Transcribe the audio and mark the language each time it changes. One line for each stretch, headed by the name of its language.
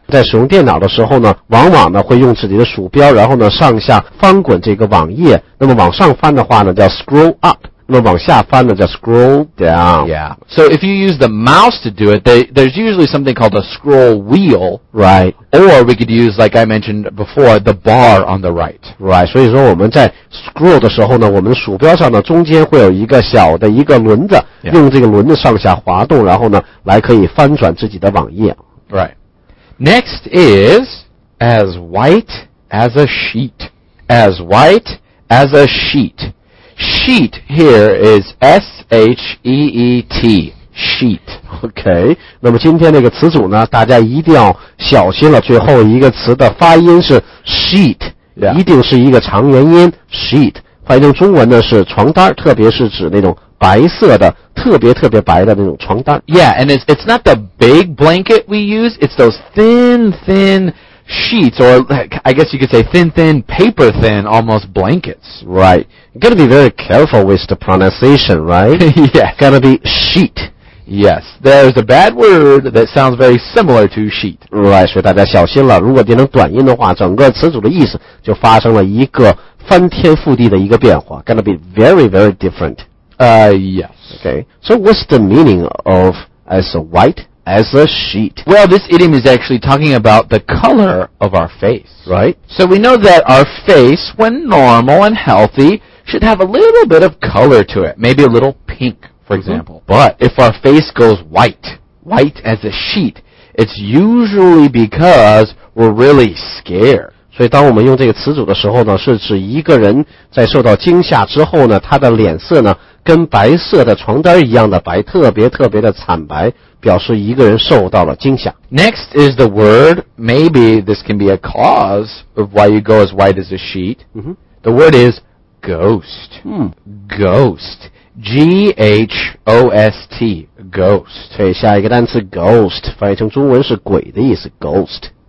Chinese: 在使用电脑的时候呢，往往呢会用自己的鼠标，然后呢上下翻滚这个网页。那么往上翻的话呢，叫 scroll up. 那么往下翻呢叫 scroll down.
English: Yeah. So if you use the mouse to do it, there's usually something called a scroll wheel. Right. Or we could use, like I mentioned before, the bar on the right. Right.
Chinese: 所以说我们在 scroll 的时候呢，我们鼠标上呢中间会有一个小的一个轮子、
English: yeah.
Chinese: 用这个轮子上下滑动，然后呢来可以翻转自己的网页。
English: Right. Next is as white as a sheet. As white as a sheet. Sheet here is S-H-E-E-T, sheet.
Chinese: Okay, 那么今天那个词组呢，大家一定要小心了，最后一个词的发音是 sheet,、
English: yeah.
Chinese: 一定是一个长元音 sheet, 翻译成中文呢是床单，特别是指那种白色的特别特别白的那种床单。
English: Yeah, and it's not the big blanket we use, it's those thin, thin sheets, or I guess you could say thin, thin, paper thin, almost blankets. Right. You've got to be very careful with the pronunciation, right? Yeah. Got to be sheet. Yes, there's a bad word that sounds very similar to sheet.
Chinese: Right, 所以大家小心了，如果变成短音的话，整个词组的意思就发生了一个翻天覆地的一个变化。
English: Gonna be very, very different. Yes. Okay, so what's the meaning of as a white, as a sheet? Well, this idiom is actually talking about the color of our face. Right. So we know that our face, when normal and healthy, should have a little bit of color to it, maybe a little pink. For example,、 mm-hmm. But if our face goes white, white as a sheet, it's usually because we're really scared.
Chinese: 所以当我们用这个词组的时候呢，是指一个人在受到惊吓之后呢，他的脸色呢跟白色的床单一样的白，特别特别的惨白，表示一个人受到了惊吓。
English: Next is the word, maybe this can be a cause of why you go as white as a sheet.、 Mm-hmm. The word is ghost.、 Mm. Ghost. G-H-O-S-T, ghost.
Chinese: 对，下一个单词 ghost, 翻译成中文是鬼的意思 ,ghost.